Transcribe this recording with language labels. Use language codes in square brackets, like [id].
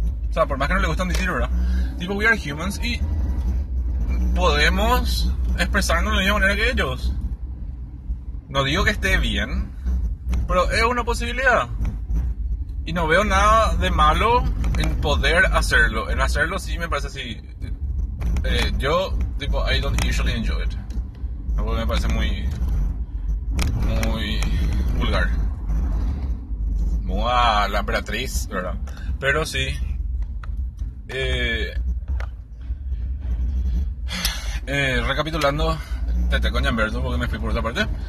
[es] O sea, por más que no le gustan decir, ¿verdad? Tipo, [en] we are humans [es] y podemos expresarnos de la misma manera que ellos. No digo que esté bien, pero es una posibilidad. Y no veo nada de malo en poder hacerlo. En hacerlo sí me parece así. Yo, tipo, [en] I don't usually enjoy it. [es] Porque me parece muy, muy vulgar. Mua, la emperatriz, ¿verdad? Pero sí. Recapitulando, te coño en verde porque me fui por otra parte.